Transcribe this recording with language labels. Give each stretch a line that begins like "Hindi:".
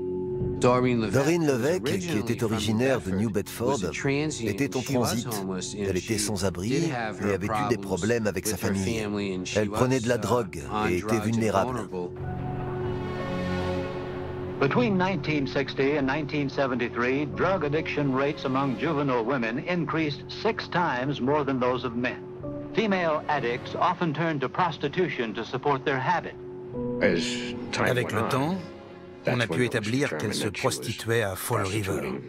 French: Doreen Levesque, qui était originaire de New Bedford, était en transit. Elle était sans abri et avait eu des problèmes avec sa famille. Elle prenait de la drogue et était vulnérable.
English: Between 1960 and 1973, drug addiction rates among juvenile women increased 6 times more than those of men. Female addicts often turned to prostitution to support their habit.
French: Avec le temps, on a pu établir qu'elle se prostituait à Fall River.